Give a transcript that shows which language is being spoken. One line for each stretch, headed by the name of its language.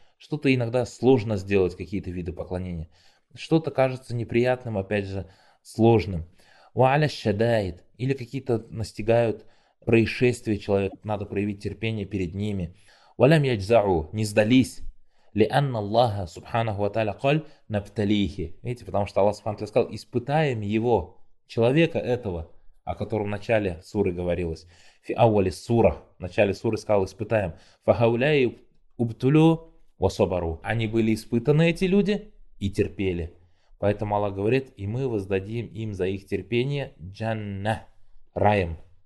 Russian: Что-то иногда сложно сделать, какие-то виды поклонения. Что-то кажется неприятным, опять же, сложным.
Arabic: Уаля шадаит.
Russian: Или какие-то настигают происшествия человека. Надо проявить терпение перед ними.
Arabic: Уалям яджзау.
Russian: Не сдались.
Arabic: لأن الله سبحانه وتعالى قال نبتليه.
Russian: Видите, потому что Аллах سبحانه وتعالى сказал, испытаем его, человека этого, о котором в начале суры говорилось. В аввали сура, в начале суры сказал, испытаем.
Arabic: Фахауляй убтулю васобару.
Russian: Они были испытаны, эти люди, и терпели. Поэтому Аллах говорит, и мы воздадим им за их терпение джанна, раем.